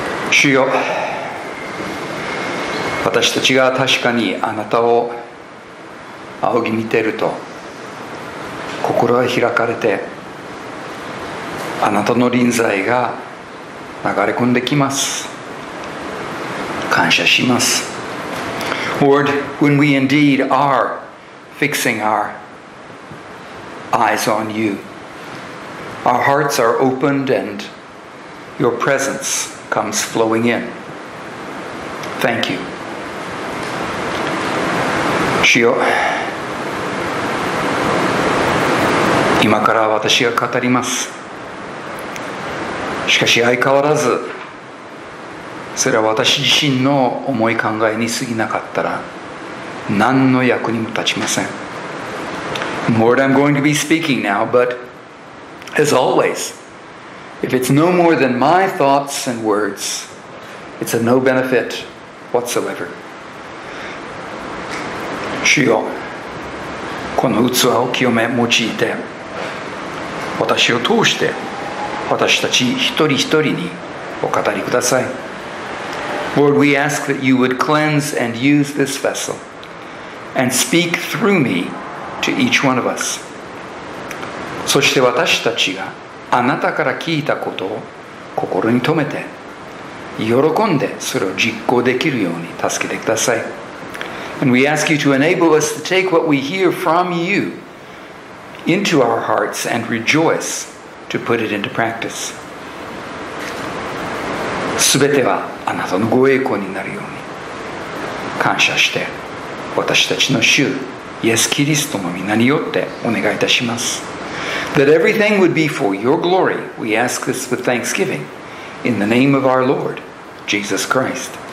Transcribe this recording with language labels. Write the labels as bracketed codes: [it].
[ja] 主よ、私たちが確かにあなたを仰ぎ見ていると心は開かれて、あなたの臨在が流れ込んできます。感謝します。 [en] Lord, when we indeed are fixing our eyes on you, our hearts are opened and your presence comes flowing in. Thank you. [ja] 主よ、今から私が語ります。しかし相変わらずそれは私自身の思い考えに過ぎなかったら何の役にも立ちません。 [en] Lord, I'm going to be speaking now, but as always, if it's no more than my thoughts and words, it's of no benefit whatsoever. [ja] 主よ、この器を清め用いて、私を通して私たち一人一人にお語りください。 [en] Lord, we ask that you would cleanse and use this vessel. And speak through me to each one of us. [ja] そして私たちがあなたから聞いたことを心に留めて喜んでそれを実行できるように助けてください。 [en] And we ask you to enable us to take what we hear from you into our hearts and rejoice to put it into practice. [ja] すべてはあなたのご栄光になるように感謝して私たちの主イエス・キリストの名によってお願いいたします。 [en] That everything would be for your glory, we ask this with thanksgiving in the name of our Lord Jesus Christ.